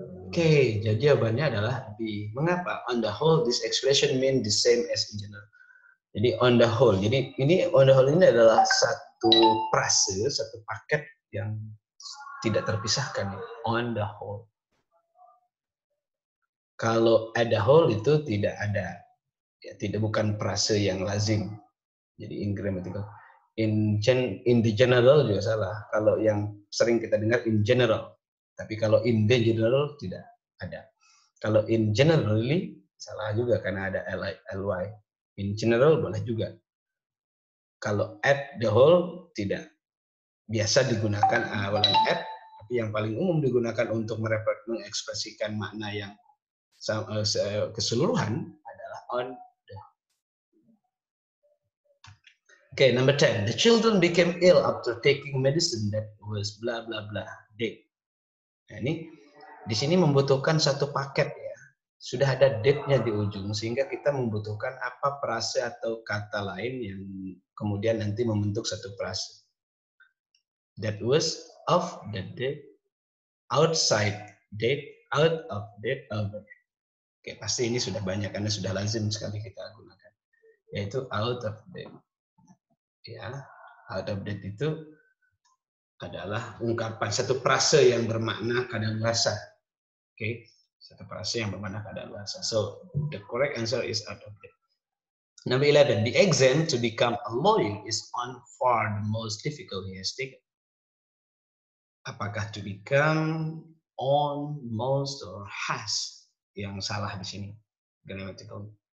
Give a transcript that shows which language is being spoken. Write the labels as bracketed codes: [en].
[id] Okay, jadi jawabannya adalah B. Mengapa? [en] On the whole, this expression mean the same as in general. [id] Jadi on the whole, jadi ini on the whole ini adalah satu frase, satu paket yang tidak terpisahkan. On the whole. Kalau at the whole itu tidak ada. Ya, tidak, bukan frase yang lazim. Jadi in grammatical. In the general juga salah. Kalau yang sering kita dengar in general. Tapi kalau in the general tidak ada. Kalau in generally salah juga karena ada ly. In general boleh juga. Kalau at the whole tidak. Biasa digunakan awalan at, tapi yang paling umum digunakan untuk mengekspresikan makna yang keseluruhan adalah on. [en] Okay, number 10. The children became ill after taking medicine that was blah blah blah. Date. [id] Nah, ini di sini membutuhkan satu paket ya. Sudah ada date-nya di ujung sehingga kita membutuhkan apa frase atau kata lain yang kemudian nanti membentuk satu frase. [en] That was of the date, outside date, out of date, over. [id] Okay, pasti ini sudah banyak karena sudah lazim sekali kita gunakan. Yaitu out of date. Ya, out of date itu adalah ungkapan satu frase yang bermakna kadaluarsa. Okay, satu frase yang bermakna kadaluarsa. [en] So the correct answer is out of date. Number 11, the exam to become a lawyer is on far the most difficult he has taken. [id] Apakah to become on most or has yang salah di sini grammatical?